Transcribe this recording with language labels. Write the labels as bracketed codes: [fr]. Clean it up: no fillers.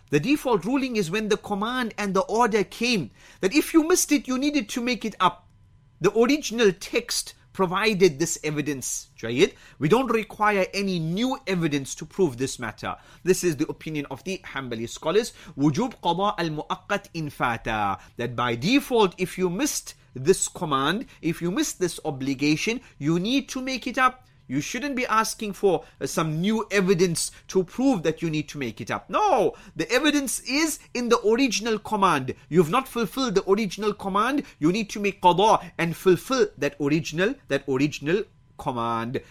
[en] The default ruling is when the command and the order came, that if you missed it, you needed to make it up. The original text provided this evidence. [ar] جيد. [en] We don't require any new evidence to prove this matter. This is the opinion of the Hanbali scholars. [ar] وجوب قضاء المؤقت إن فاتا. [en] That by default, if you missed this command, if you missed this obligation, you need to make it up. You shouldn't be asking for some new evidence to prove that you need to make it up. No, the evidence is in the original command. You've not fulfilled the original command. You need to make qada and fulfill that original command.